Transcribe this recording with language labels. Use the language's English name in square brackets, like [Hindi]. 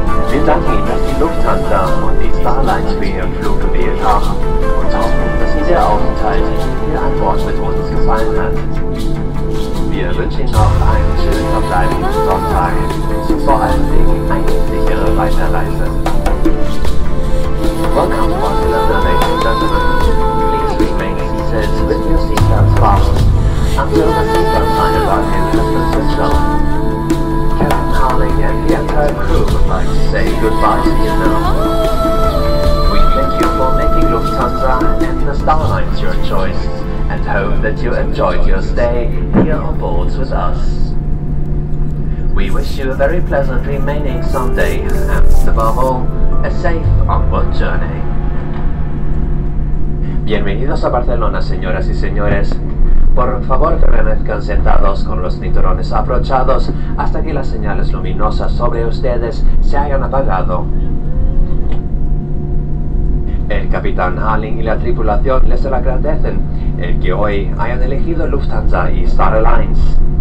[German] Wir danken Ihnen, dass die Lufthansa und die Starlines für Ihren Flug gewählt haben und hoffen, dass Ihnen der Aufenthalt hier an Bord mit uns gefallen hat. Wir wünschen Ihnen noch einen schönen verbleibenden Sonntag und vor allen Dingen eine sichere Weiterreise. [English] Welcome to the ladies and gentlemen. Please remain seated with your seatbelts fastened until the seatbelt sign above him has been switched on. Captain Harling and the entire crew would like to say goodbye to you now. We thank you for making Lufthansa and the Starlines your choice and hope that you enjoyed your stay here on board with us. We wish you a very pleasant remaining Sunday and, above all, a safe onward journey. [Spanish] Bienvenidos a Barcelona, señoras y señores. Por favor, permanezcan sentados con los cinturones abrochados hasta que las señales luminosas sobre ustedes se hayan apagado. El capitán Harling y la tripulación les agradecen el que hoy hayan elegido Lufthansa y Star Alliance.